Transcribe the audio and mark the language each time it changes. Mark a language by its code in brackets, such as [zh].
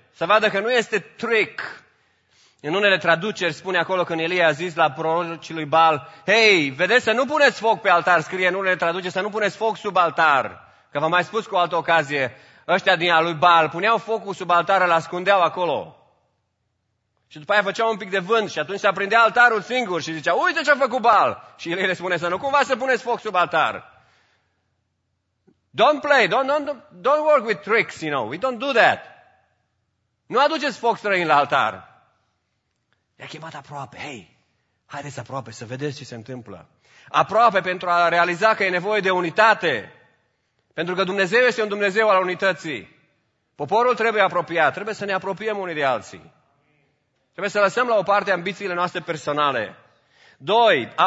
[ro] Să vadă că nu este trick. În unele traduceri spune acolo când Elie a zis la prorocii lui Baal, hei, vedeți să nu puneți foc pe altar, scrie în unele traduceri, să nu puneți foc sub altar. Că v-am mai spus cu o altă ocazie, ăștia din al lui Baal puneau focul sub altar, îl ascundeau acolo. Și după aia făceau un pic de vânt și atunci se aprindea altarul singur și zicea, uite ce a făcut Baal. Și el îi spune să nu cumva să puneți foc sub altar. [en] Don't work with tricks, you know, we don't do that. [ro] Nu aduceți foc străin la altar. I-a chemat aproape, hei, haideți aproape să vedeți ce se întâmplă. Aproape pentru a realiza că e nevoie de unitate. Pentru că Dumnezeu este un Dumnezeu al unității. Poporul trebuie apropiat, trebuie să ne apropiem unii de alții. Trebuie să lăsăm la o parte ambițiile noastre personale. 2.